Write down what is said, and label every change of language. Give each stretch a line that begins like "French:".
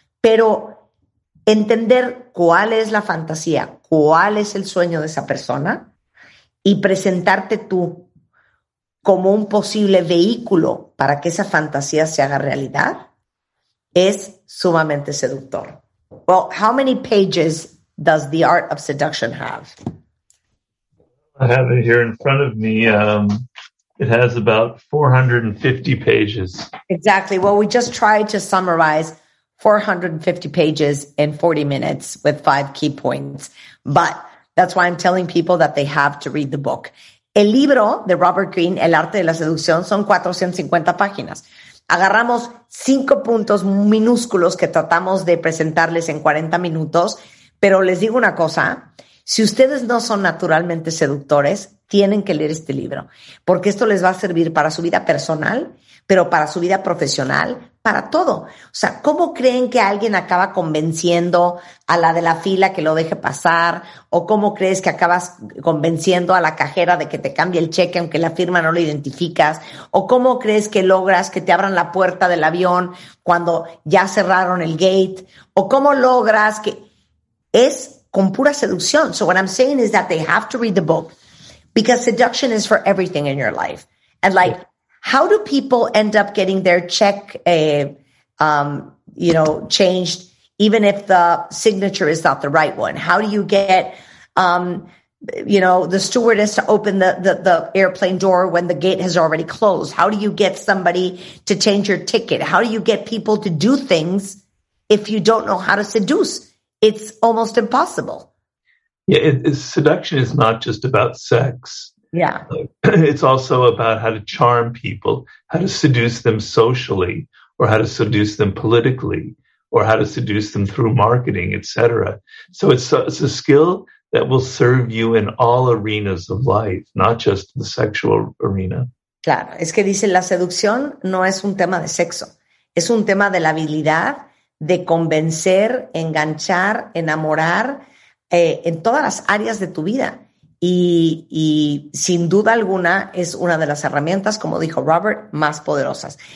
Spanish: Pero entender cuál es la fantasía, cuál es el sueño de esa persona y presentarte tú como un posible vehículo para que esa fantasía se haga realidad es sumamente seductor.
English: Well, how many pages does The Art of Seduction have? I have it here in front of me. It has about 450 pages. Exactly. Well, we just tried to summarize 450 pages in 40 minutes with 5 key points. But that's why I'm telling people that they have to read the book.
Spanish: El libro de Robert Greene, El Arte de la Seducción, son 450 páginas. Agarramos 5 puntos minúsculos que tratamos de presentarles en 40 minutos. Pero les digo una cosa, si ustedes no son naturalmente seductores, tienen que leer este libro, porque esto les va a servir para su vida personal, pero para su vida profesional, para todo. O sea, ¿cómo creen que alguien acaba convenciendo a la de la fila que lo deje pasar? ¿O cómo crees que acabas convenciendo a la cajera de que te cambie el cheque aunque la firma no lo identificas? ¿O cómo crees que logras que te abran la puerta del avión cuando ya cerraron el gate? ¿O cómo logras que...? Es con pura seducción.
English: So what I'm saying is that they have to read the book, because seduction is for everything in your life. And like, how do people end up getting their check, changed, even if the signature is not the right one? How do you get, the stewardess to open the airplane door when the gate has already closed? How do you get somebody to change your ticket? How do you get people to do things if you don't know how to seduce? It's almost impossible. Yeah, seduction is not just about sex. Yeah. It's also about how to charm people, how to seduce them socially, or how to seduce them politically, or how to seduce them through marketing, etc. So it's a skill that will serve you in all arenas of life, not just the sexual arena.
Spanish: Claro, es que dice, la seducción no es un tema de sexo, es un tema de la habilidad de convencer, enganchar, enamorar, en todas las áreas de tu vida. Y sin duda alguna es una de las herramientas, como dijo Robert, más poderosas.